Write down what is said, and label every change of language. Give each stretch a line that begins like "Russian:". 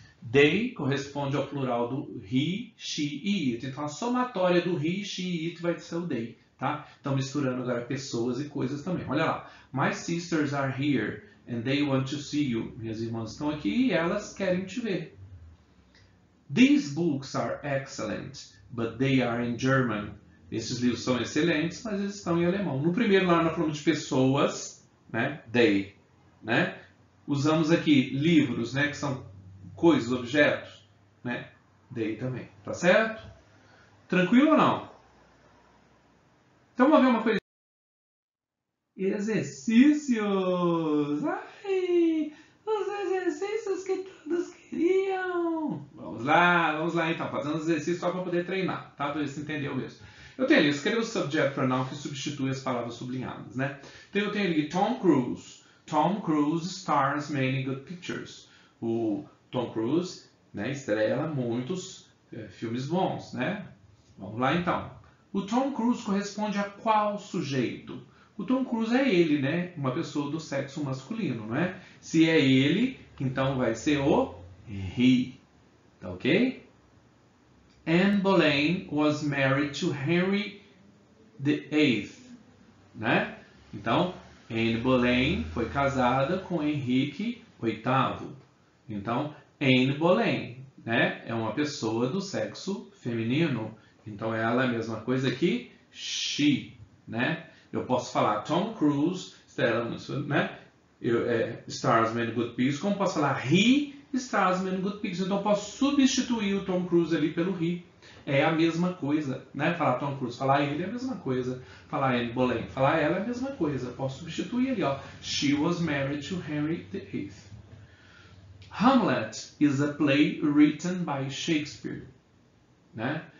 Portuguese: They corresponde ao plural do he, she e it. Então a somatória do he, she e it vai ser o they, tá? Estão misturando agora pessoas e coisas também. Olha lá.
English: My sisters are here and they want to see you.
Portuguese: Minhas irmãs estão aqui e elas querem te ver.
English: These books are excellent, but they are in German.
Portuguese: Esses livros são excelentes, mas eles estão em alemão. No primeiro lá nós falamos de pessoas, né? They, né? Usamos aqui livros, né? Que são coisas, objetos, né? They também, tá certo? Tranquilo ou não? Então vamos ver uma coisa. Exercícios! Ai, exercícios que todos queriam! Vamos lá então, fazendo os exercícios só para poder treinar, tá? Para ver se entendeu mesmo. Eu tenho ali, escrevi o subject pronoun que substitui as palavras sublinhadas, né? Então eu tenho ali Tom Cruise.
English: Tom Cruise stars many good pictures.
Portuguese: O Tom Cruise, né, estrela muitos filmes bons, né? Vamos lá então. O Tom Cruise corresponde a qual sujeito? O Tom Cruise é ele, né? Uma pessoa do sexo masculino, não é? Se é ele, então vai ser o he. Tá ok?
English: Anne Boleyn was married to Henry VIII, né?
Portuguese: Então, Anne Boleyn foi casada com Henrique VIII. Então, Anne Boleyn, né? É uma pessoa do sexo feminino. Então, ela é a mesma coisa que she, né? Eu posso falar Tom Cruise, stars, né?
English: Stars many good pictures.
Portuguese: Como posso falar
English: he stars many good pictures?
Portuguese: Então, eu posso substituir o Tom Cruise ali pelo he. É a mesma coisa, né? Falar Tom Cruise, falar ele é a mesma coisa. Falar Anne Boleyn, falar ela é a mesma coisa. Posso substituir ali, ó.
English: She was married to Henry VIII. Hamlet is a play written by Shakespeare, né?